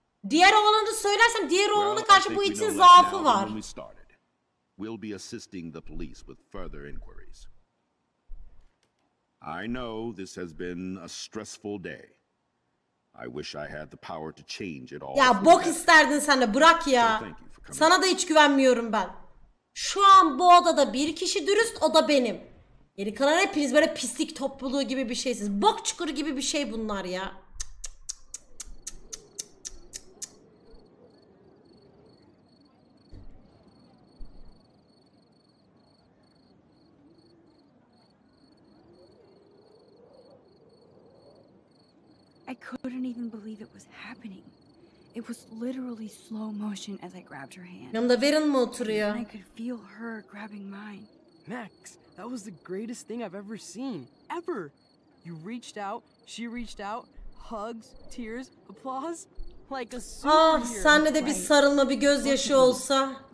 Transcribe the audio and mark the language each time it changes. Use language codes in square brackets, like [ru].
[tr] Diğer oğlanı söylersem, diğer oğlanı karşı bu için zaafı var. [en] We started. We'll be assisting the police with further inquiries. I know this has been a stressful day. I wish I had the power to change it all. [tr] Ya bok isterdin sen de, bırak ya. Sana da hiç güvenmiyorum ben. Şu an bu odada bir kişi dürüst, o da benim. Geri kalan hepiniz böyle pislik topluluğu gibi bir şeysiniz. Bok çukuru gibi bir şey bunlar ya. Cık, cık, cık, cık, cık, cık, cık. [en] I couldn't even believe it was happening. It was literally slow motion as I grabbed her hand. [tr] Yanımda Verin mi oturuyor? [en] I could feel her grabbing mine. Max, that was the greatest thing I've ever seen. Ever. You reached out, she reached out, hugs, tears, applause. Like a superhero. [tr] Ah, senle de bir sarılma, bir gözyaşı olsa.